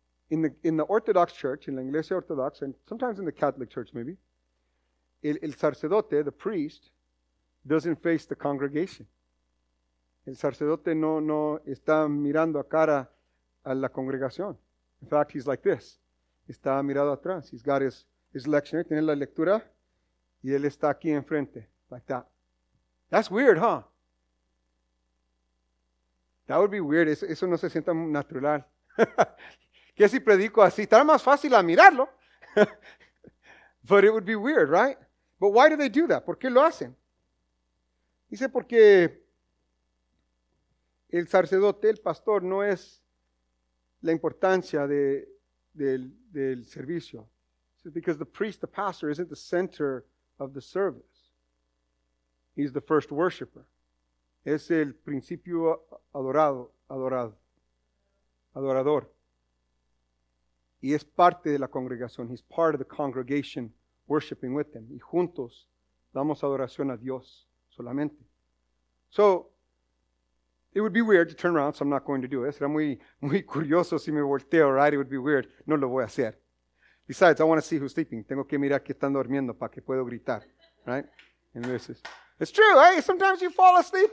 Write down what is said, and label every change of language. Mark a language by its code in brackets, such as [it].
[en] In the Orthodox Church, in [es] la iglesia ortodoxa, [en] and sometimes in the Catholic Church maybe, [es] el sacerdote, [en] the priest, doesn't face the congregation. [es] El sacerdote no está mirando a cara a la congregación. [en] In fact, he's like this. [es] Está mirado atrás. [en] He's got his lectionary, [es] tiene la lectura, y él está aquí enfrente, [en] like that. That's weird, huh? That would be weird. [es] Eso no se sienta natural. ¿Qué si predico así? Está más fácil a mirarlo. [en] But it would be weird, right? But why do they do that? [es] ¿Por qué lo hacen? Dice porque el sacerdote, el pastor, no es la importancia del servicio. [en] It's because the priest, the pastor, isn't the center of the service. He's the first worshiper. [es] Es el principio adorador. Y es parte de la congregación. [en] He's part of the congregation worshiping with them. [es] Y juntos damos adoración a Dios solamente. [en] So, it would be weird to turn around, so I'm not going to do it. [es] Será muy, muy curioso si me volteo, [en] right? It would be weird. [es] No lo voy a hacer. [en] Besides, I want to see who's sleeping. [es] Tengo que mirar que están durmiendo para que puedo gritar, right? [en] And this is, it's true, hey, sometimes you fall asleep.